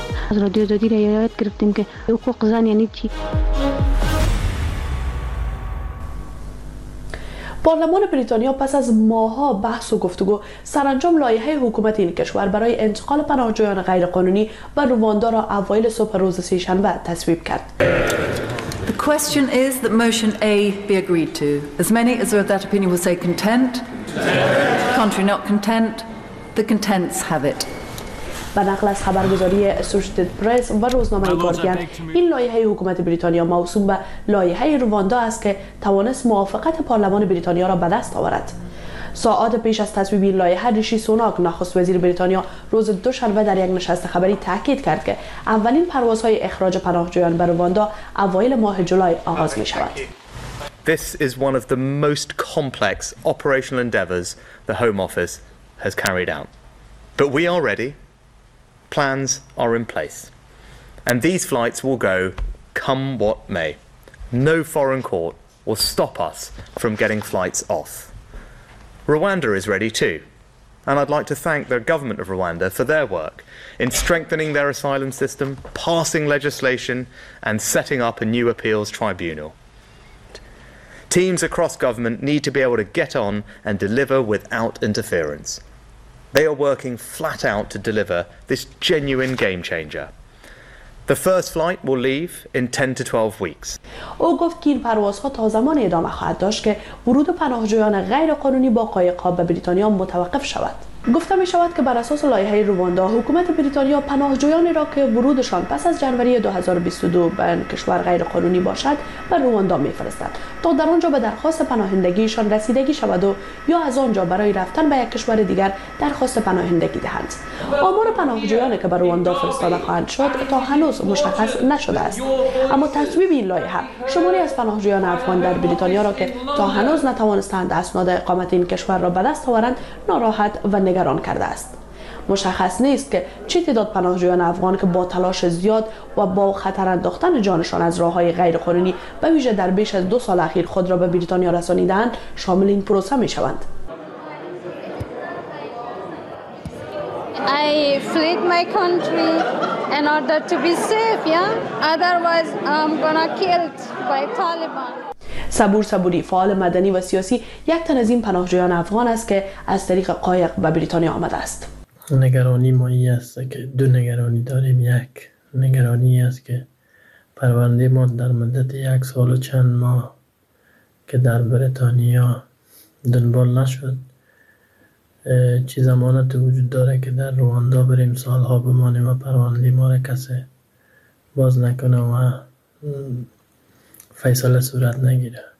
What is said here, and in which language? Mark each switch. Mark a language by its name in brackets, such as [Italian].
[Persian] از رادیو زادی را یاد گرفتیم که حقوق زن یعنی چی؟ پارلمان بریتانیا پس از ماها بحث و گفتگو سرانجام لایحه حکومت این کشور برای انتقال پناهجویان غیرقانونی و رواندا را اوایل صبح روز سه‌شنبه تصویب کرد. [English] The question is that motion A be agreed to. As many as are of that opinion will say content. Contrary not content. The contents have it. [Persian] و نقل از خبرگزاری اسوسییتد پرس و روزنامه گاردین، این لایحه حکومت بریتانیا موسوم به لایحه رواندا است که توانست موافقت پارلمان بریتانیا را به دست آورد. ساعات پیش از تصویب این لایحه، ریشی سوناک نخست وزیر بریتانیا روز دوشنبه در یک نشست خبری تاکید کرد که اولین پروازهای اخراج پناهجویان به رواندا اوایل ماه جولای آغاز می شود. [English] This is one of the most complex operational endeavors the Home Office has carried out. But we are ready. Plans are in place, and these flights will go come what may. No foreign court will stop us from getting flights off. Rwanda is ready too, and I'd like to thank the government of Rwanda for their work in strengthening their asylum system, passing legislation, and setting up a new appeals tribunal. Teams across government need to be able to get on and deliver without interference. They are working flat out to deliver this genuine game changer. The first flight will leave in 10 to 12 weeks. [Persian] او گفت که این پروازها تا زمانی ادامه خواهد داشت که ورود پناهجویان غیرقانونی با قایق‌ها به بریتانیا متوقف شود. گفته می شود که بر اساس لایحه رواندا، حکومت بریتانیا پناهجویانی را که ورودشان پس از جنوری 2022 به کشور غیرقانونی باشد به رواندا می فرستد تا در آنجا به درخواست پناهندگیشان رسیدگی شود و یا از آنجا برای رفتن به یک کشور دیگر درخواست پناهندگی دهند. آمار پناهجویانی که به رواندا فرستاده خواهند شد تا هنوز مشخص نشده است، اما تصویب این لایحه شماری از پناهجویان افغان در بریتانیا را که تا هنوز نتوانستند اسناد اقامت این کشور را به دست آورند ناراحت و نگران کرده است. مشخص نیست که چه تعداد پناهجویان افغان که با تلاش زیاد و با خطر انداختن جانشان از راه‌های غیرقانونی به ویژه در بیش از 2 سال اخیر خود را به بریتانیا رسانیدند شامل این پروسه می شوند. [English] I fled my country in order to be safe, yeah? Otherwise I'm gonna killed by Taliban. [Persian] صبور صبوری، فعال مدنی و سیاسی، یک تن از این پناهجویان افغان است که از طریق قایق به بریتانیا آمده است. نگرانی ما این است که دو نگرانی داریم. یک نگرانی است که پرونده ما در مدت 1 سال و چند ماه که در بریتانیا دنبال نشد چی زمانت وجود داره که در رواندا بریم سالها بمانیم و پرونده ما را کسی باز نکنه و فیصله صورت نگیره.